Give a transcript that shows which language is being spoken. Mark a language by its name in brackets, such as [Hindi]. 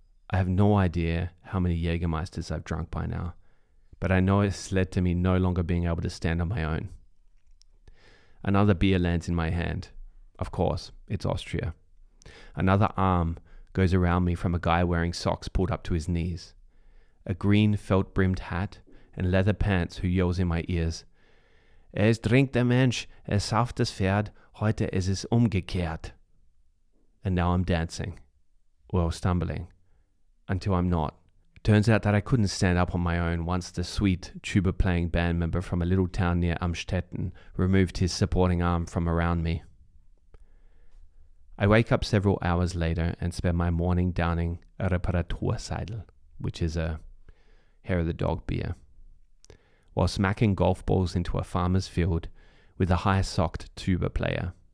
[English] I have no idea how many Jägermeisters I've drunk by now, but I know it's led to me no longer being able to stand on my own. Another beer lands in my hand. Of course, it's Austria. Another arm goes around me from a guy wearing socks pulled up to his knees. A green felt-brimmed hat and leather pants who yells in my ears, [German] Es trinkt der Mensch, es sauft das Pferd, heute ist es umgekehrt. [English] And now I'm dancing. Well, stumbling. Until I'm not. Turns out that I couldn't stand up on my own once the sweet tuba-playing band member from a little town near Amstetten removed his supporting arm from around me. I wake up several hours later and spend my morning downing a Reparaturseidel, which is a hair of the dog beer, while smacking golf balls into a farmer's field with a high-socked tuba player.